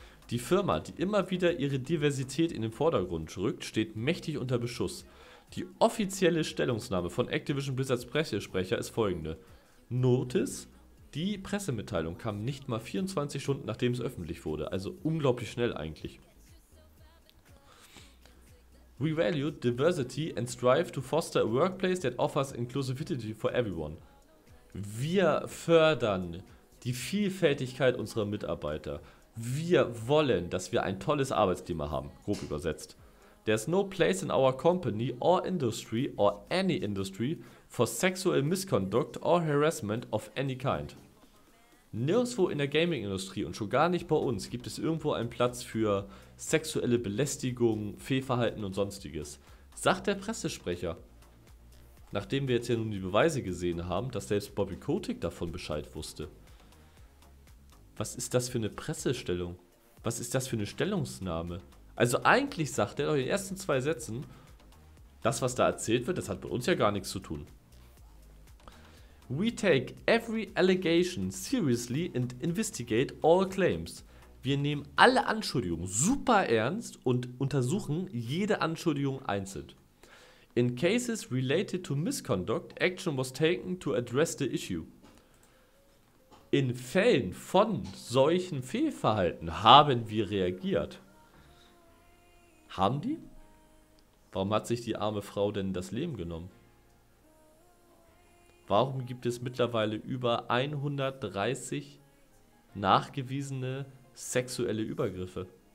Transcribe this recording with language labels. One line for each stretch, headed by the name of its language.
German: Die Firma, die immer wieder ihre Diversität in den Vordergrund rückt, steht mächtig unter Beschuss. Die offizielle Stellungnahme von Activision Blizzards Pressesprecher ist folgende. Notice, die Pressemitteilung kam nicht mal 24 Stunden, nachdem es öffentlich wurde. Also unglaublich schnell eigentlich.
English: We value diversity and strive to foster a workplace that offers inclusivity for everyone.
German: Wir fördern die Vielfältigkeit unserer Mitarbeiter. Wir wollen, dass wir ein tolles Arbeitsklima haben, grob übersetzt.
English: There's no place in our company or industry or any industry for sexual misconduct or harassment of any kind.
German: Nirgendwo in der Gaming-Industrie und schon gar nicht bei uns gibt es irgendwo einen Platz für sexuelle Belästigung, Fehlverhalten und sonstiges. Sagt der Pressesprecher. Nachdem wir jetzt ja nun die Beweise gesehen haben, dass selbst Bobby Kotick davon Bescheid wusste. Was ist das für eine Pressestellung? Was ist das für eine Stellungsnahme? Also eigentlich sagt er doch in den ersten zwei Sätzen, das was da erzählt wird, das hat mit uns ja gar nichts zu tun.
English: We take every allegation seriously and investigate all claims.
German: Wir nehmen alle Anschuldigungen super ernst und untersuchen jede Anschuldigung einzeln.
English: In cases related to misconduct, action was taken to address the issue.
German: In Fällen von solchen Fehlverhalten haben wir reagiert. Haben die? Warum hat sich die arme Frau denn das Leben genommen? Warum gibt es mittlerweile über 130 nachgewiesene sexuelle Übergriffe?